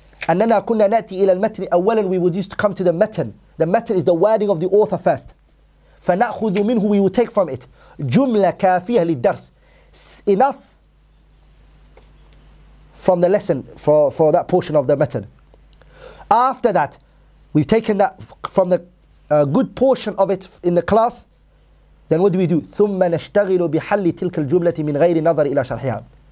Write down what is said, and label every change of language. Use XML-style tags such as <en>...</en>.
<ar>أننا كنا نأتي إلى المتن أولا.</ar> <en>We would used to come to the متن. The متن is the wording of the author first.</en> <ar>فنأخذ منه,</ar> <en>we would take from it</en> <ar>جملة كافية للدرس,</ar> <en>enough from the lesson for that portion of the متن. After that, we've taken that from the good portion of it in the class. Then what do we do?</en> <ar>ثم نشتغل بحل تلك الجملة من غير نظر إلى شرحها.</ar>